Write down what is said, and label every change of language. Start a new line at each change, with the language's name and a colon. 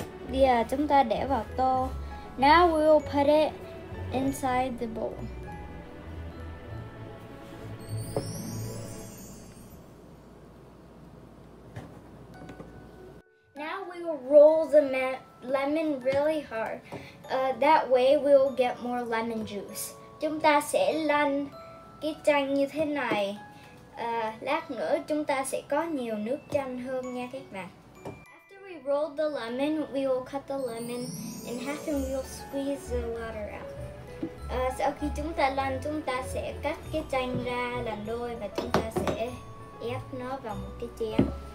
Vietnamese: Bây giờ chúng ta để vào tô
English: Now we will put it inside the bowl. Now we will roll the lemon really hard. That way we will get more lemon juice.
Vietnamese: Chúng ta sẽ lăn cái chanh như thế này. Lát nữa chúng ta sẽ có nhiều nước chanh hơn nha các bạn.
English: After we roll the lemon, we will cut the lemon in half and we will squeeze the water out.
Vietnamese: Sau khi chúng ta lăn, chúng ta sẽ cắt cái chanh ra làm đôi và chúng ta sẽ ép nó vào một cái chén.